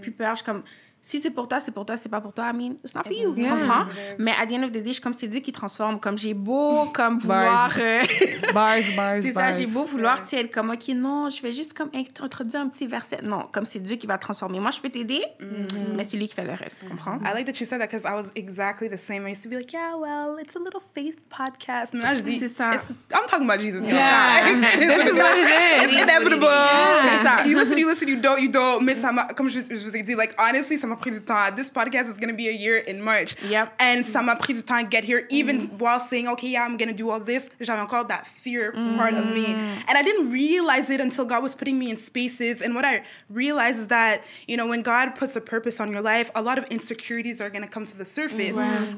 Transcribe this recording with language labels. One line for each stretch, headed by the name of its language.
French: plus peur. Je suis comme, si c'est pour toi, c'est pour toi, c'est pas pour toi,
English: I mean, it's not for you,
French: mm-hmm. tu comprends? Yeah. Mais à
English: the end of the day,
French: je suis comme, c'est Dieu qui transforme. Comme, j'ai beau, comme, vouloir...
English: bars.
French: C'est ça, j'ai beau vouloir, yeah. tu sais, comme, OK, non, je vais juste, comme, introduire un petit verset. Non, comme, c'est Dieu qui va transformer. Moi, je peux t'aider, mm-hmm. mais c'est lui qui fait le reste, mm-hmm. tu comprends?
English: I like that you said that, because I was exactly the same. I used to be like, yeah, well, it's a little faith podcast.
French: Mais là, je dis, c'est ça.
English: I'm talking about Jesus. Yeah. This is what it is. It's inevitable. Yeah. Yeah. You listen, you don't, mais mm-hmm.
French: ça, comme je vous ai dit, like, honestly, ça m'a pris du temps.
English: This podcast is going to be a year in March. Yep.
French: And mm-hmm. ça m'a pris du temps
English: to get here, even
French: mm-hmm.
English: while saying, okay, yeah, I'm going to do all this.
French: J'avais encore
English: that fear mm-hmm. part of me. And I didn't realize it until God was putting me in spaces. And what I realized is that, you know, when God puts a purpose on your life, a lot of insecurities are going to come to the surface. Mm-hmm.